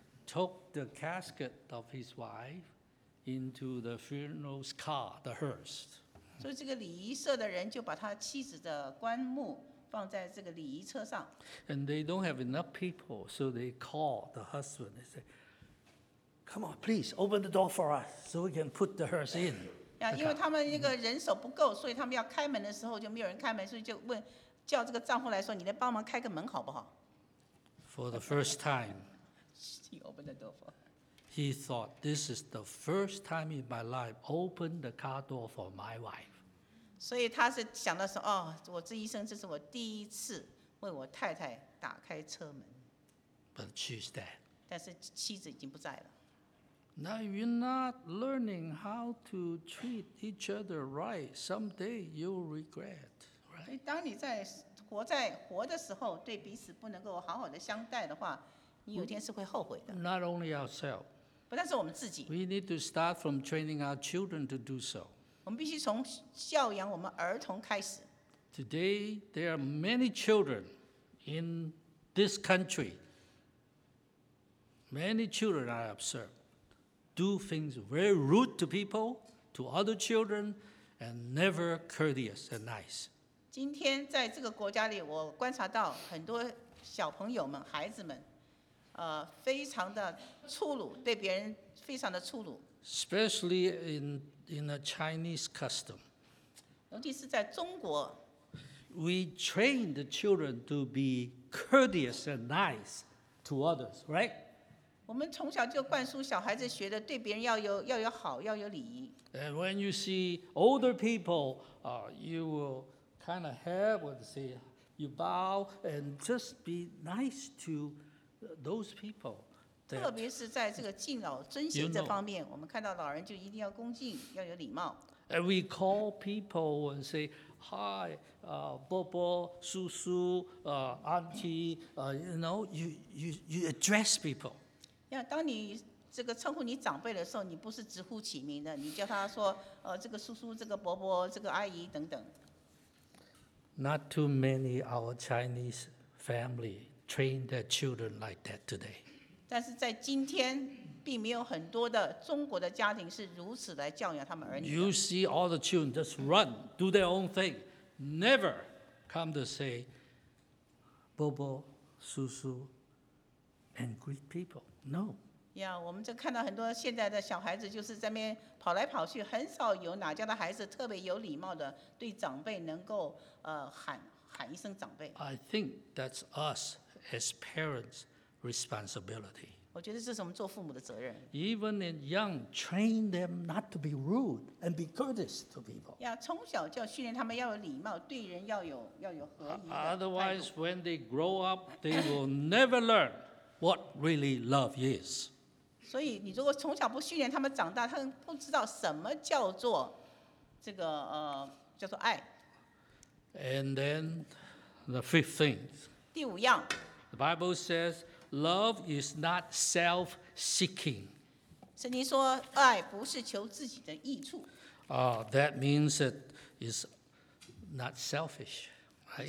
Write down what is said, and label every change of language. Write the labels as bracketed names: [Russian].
[English] Took the casket of his wife into the funeral's car, the hearse. [Chinese] 所以这个礼仪社的人就把他妻子的棺木放在这个礼仪车上。 [English] And they don't have enough people, so they call the husband. They say, "Come on, please open the door for us, so we can put the hearse in." [Chinese] 因为他们那个人手不够，所以他们要开门的时候就没有人开门，所以就问叫这个丈夫来说，你来帮忙开个门好不好？ [English] For the first time, he opened the door for. He thought, this is the first time in my life open the car door for my wife. [Chinese] 所以他是想到说，哦，我这一生这是我第一次为我太太打开车门。 [English] But she's dead. [Chinese] 但是妻子已经不在了。 [English] Now if you're not learning how to treat each other right, someday you'll regret, right? [Chinese] 当你在活的时候，对彼此不能够好好的相待的话，你有一天是会后悔的。 [English] Not only ourselves. [Chinese] 不但是我们自己。 [English] We need to start from training our children to do so. [Chinese] 我们必须从教养我们儿童开始。 [English] Today, there are many children in this country. Many children I observe do things very rude to people, to other children, and never courteous and nice. [Chinese] 今天在这个国家里，我观察到很多小朋友们、孩子们。非常的粗鲁，对别人非常的粗鲁。 [English] Especially in a Chinese custom. [Chinese] 尤其是在中国。 [English] We train the children to be courteous and nice to others, right? [Chinese] 我们从小就灌输小孩子学的，对别人要有好，要有礼仪。 [English] And when you see older people, you will kind of have, what to say, you bow and just be nice to. Those people, [Chinese] 特别是在这个敬老尊贤这方面，我们看到老人就一定要恭敬，要有礼貌。 [English] And we call people and say, "Hi, Bobo, Susu, Auntie, you know, you address people." [Chinese] 当你这个称呼你长辈的时候，你不是直呼其名的，你叫他说，这个叔叔，这个伯伯，这个阿姨等等。 [English] Not too many our Chinese family. Train their children like that today. [Chinese] 但是在今天，并没有很多的中国的家庭是如此来教养他们儿女的。 [English] You see all the children just run, do their own thing, never come to say, "Bobo, Susu," and greet people. No. [Chinese] Yeah, 我们就看到很多现在的小孩子就是在那边跑来跑去，很少有哪家的孩子特别有礼貌的对长辈能够喊一声长辈。 [English] I think that's us. As parents' responsibility. [Chinese] 我觉得这是我们做父母的责任。 [English] Even in young, train them not to be rude and be courteous to people. [Chinese] 从小就要训练他们要有礼貌，对人要有和宜的态度。 [English] Otherwise, when they grow up, they will never learn what really love is. [Chinese] 所以你如果从小不训练他们长大，他们不知道什么叫做这个叫做爱。 [English] And then the fifth thing. [Chinese] 第五样 [English] The Bible says, love is not self-seeking. [Chinese] 圣经说爱不是求自己的益处。 [English] That means it is not selfish, right?